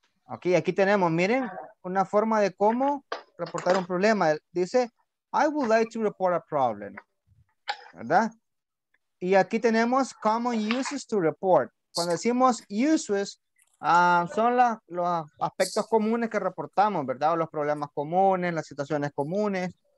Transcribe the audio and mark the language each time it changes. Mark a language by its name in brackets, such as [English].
[Spanish] Ok, aquí tenemos, miren, una forma de cómo reportar un problema. Dice, [English] I would like to report a problem. [Spanish] ¿Verdad? Y aquí tenemos [English] common uses to report. [Spanish] Cuando decimos uses, son los aspectos comunes que reportamos, ¿verdad? O los problemas comunes, las situaciones comunes.